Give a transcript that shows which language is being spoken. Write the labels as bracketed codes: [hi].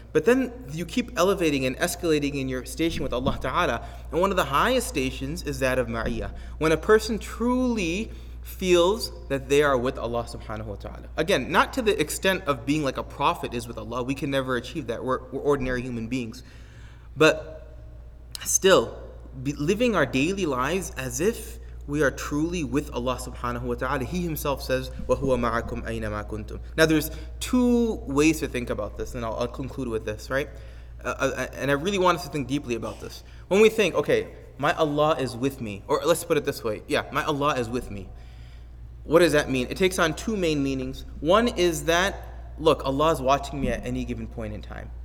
[en] But then you keep elevating and escalating in your station with Allah Ta'ala, and one of the highest stations is that of Ma'iyah, when a person truly feels that they are with Allah Subhanahu Wa Ta'ala. Again, not to the extent of being like a prophet is with Allah, we can never achieve that, we're ordinary human beings. But still, living our daily lives as if we are truly with Allah Subhanahu Wa Ta'ala. He himself says, [ar] وَهُوَ مَعَكُمْ أَيْنَ مَا كُنْتُمْ. [en] Now there's two ways to think about this, and I'll conclude with this, right? And I really want us to think deeply about this. When we think, okay, my Allah is with me, or let's put it this way, yeah, my Allah is with me. What does that mean? It takes on two main meanings. One is that, look, Allah is watching me at any given point in time.